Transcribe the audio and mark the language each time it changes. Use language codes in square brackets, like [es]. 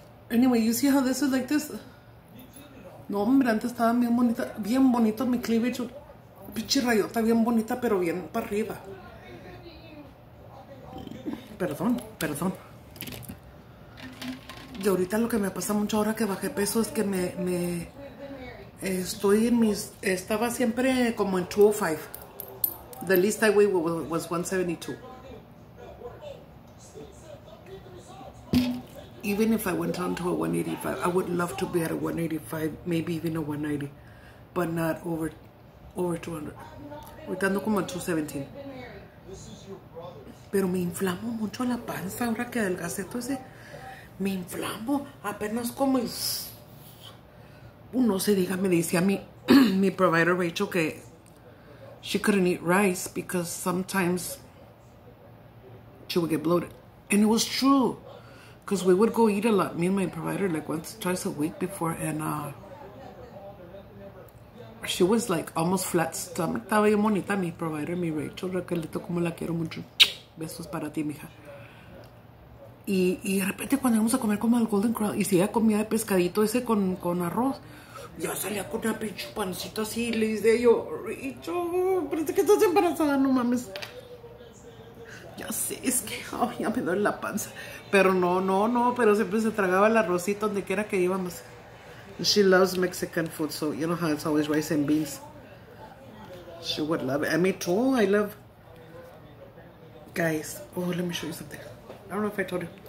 [en] Anyway, you see how this is like this? [es] No, hombre, antes estaba bien bonita. Bien bonito mi cleavage. Pinche rayota bien bonita, pero bien para arriba. Perdón, perdón. Y ahorita lo que me pasa mucho ahora que bajé peso es que me estoy en mis... Estaba siempre como en 205. [en] The least I weighed was 172. Even if I went down to a 185, I would love to be at a 185, maybe even a 190, but not over 200. [es] Ahorita ando como en 217. Pero me inflamo mucho la panza ahora que adelgacé todo ese. Me inflamo apenas como es. Uno se diga, me decía mi provider Rachel que [en] she couldn't eat rice because sometimes she would get bloated. And it was true. Because we would go eat a lot, me and my provider, like once, twice a week before, and she was like almost flat stomach. [es] Estaba bien bonita mi provider, mi Rachel, Raquelito, como la quiero mucho. Besos para ti, mija. Y de repente cuando íbamos a comer como el Golden Corral, y si ella comía de pescadito ese con arroz, ya salía con una pinche pancita así, y le dije yo, Rachel, parece que estás embarazada, no mames. Ya sé, es que oh, ya me duele la panza. Pero no, no, no, pero siempre se tragaba el arrocito donde quiera que íbamos. [en] She loves Mexican food, so you know how it's always rice and beans. She would love it. And me too, I love. Guys, oh, let me show you something. don't know if I told you.